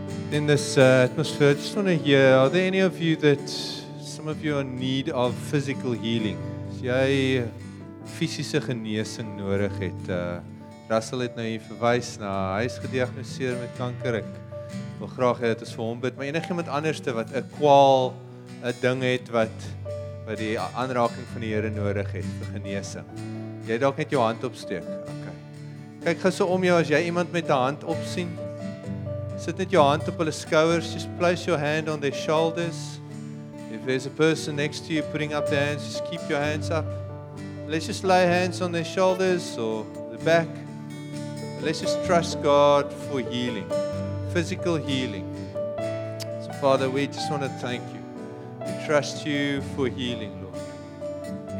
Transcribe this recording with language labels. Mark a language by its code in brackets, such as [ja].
[en] In this atmosphere, I just want to hear, are there any of you that some of you are in need of physical healing? [af] Jy fisiese genesing nodig het. Russell het nou hier verwys na, hy is gediagnoseer met kanker. Ek wil graag hê dat ons vir hom bid, maar enigiemand anderste wat 'n kwaal, 'n ding het wat die aanraking van die Here nodig het vir genesing. Jy dalk net jou hand opsteek. Okay. Kyk gou so om jou as jy iemand met 'n hand opsien. Sit net jou hand op hulle skouers, [en] just place your hand on their shoulders. If there's a person next to you putting up their hands, just keep your hands up. Let's just lay hands on their shoulders or the back. Let's just trust God for healing, physical healing. So Father, we just want to thank you. We trust you for healing, Lord.